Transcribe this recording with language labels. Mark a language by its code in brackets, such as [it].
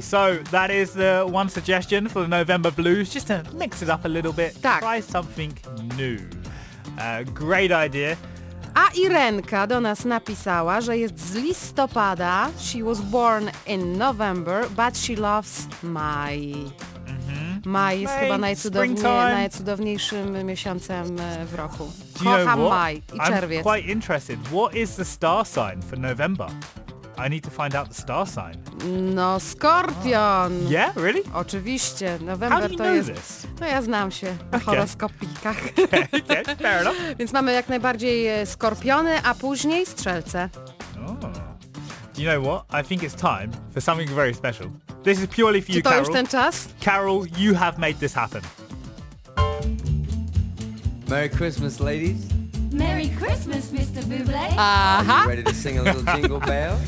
[en] So that is the one suggestion for the November blues, just to mix it up a little bit. [pl] Tak. [en] Try something new. Great idea. [pl] A Irenka do nas napisała, że jest z listopada, [en] she was born in November, but she loves May. Mm-hmm. [pl] May jest chyba najcudowniejszym miesiącem w roku. Kocha May i czerwiec. [en] I'm quite interested. What is the star sign for November? I need to find out the star sign. [pl] No, Skorpion. [en] Oh. Yeah, really? [pl] Oczywiście. November to jest... [en] How do you know this? [pl] No ja znam się na horoskopikach. [en] Okay, fair enough. [pl] Więc mamy jak najbardziej Skorpiony, a później Strzelce. [en] Oh. Do you know what? I think it's time for something very special. This is purely for you, Carol. [pl] Czy to już ten czas? [en] Carol, you have made this happen. Merry Christmas, ladies. Merry Christmas, Mr. Bublé. Uh-huh. Are you ready to sing a little jingle bell?